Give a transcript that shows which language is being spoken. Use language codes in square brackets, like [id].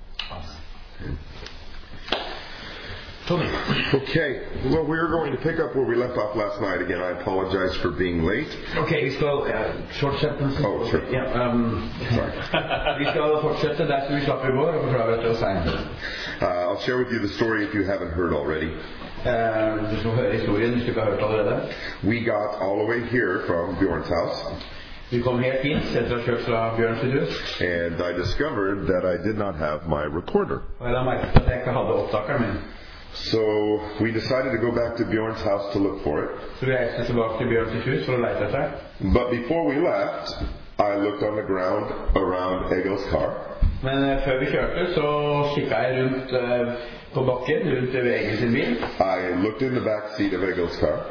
[en] Amen. Okay, well, we are going to pick up where we left off last night again. I apologize for being late. [no] Okay, vi skal fortsette. [en] Oh, sure. Yeah, sorry. [no] Vi skal fortsette der som vi slapp i går, og for å være til å si. [en] I'll share with you the story if you haven't heard already. [no] Du skal høre historien hvis du ikke har hørt allerede. [en] We got all the way here from Bjørn's house. [no] Vi kom helt inn, sett og kjørt fra Bjørn's hus. [en] And I discovered that I did not have my recorder. [no] Og jeg merket at jeg ikke hadde opptakeren min. [en] So we decided to go back to Bjørn's house to look for it. But before we left, I looked on the ground around Egil's car. [no] Men før vi kjørte, så kikket jeg rundt på bakken rundt Egil sin bil. [en] I looked in the back seat of Egil's car.